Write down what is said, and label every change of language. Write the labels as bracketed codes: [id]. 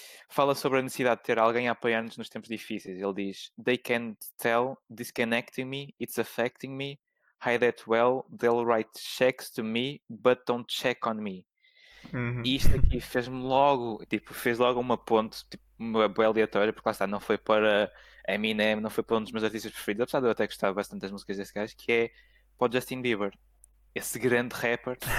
[pt] Fala sobre a necessidade de ter alguém a apoiar-nos nos tempos difíceis. Ele diz: [en] They can't tell, disconnecting me, it's affecting me, hide that well, they'll write checks to me, but don't check on me. Uhum. [pt] E isto aqui fez-me logo, tipo, fez logo uma ponte, tipo, uma boa aleatória, porque lá está, não foi para Eminem, não foi para um dos meus artistas preferidos, apesar de eu até gostar bastante das músicas desse gajo, que é para o Justin Bieber, esse grande rapper.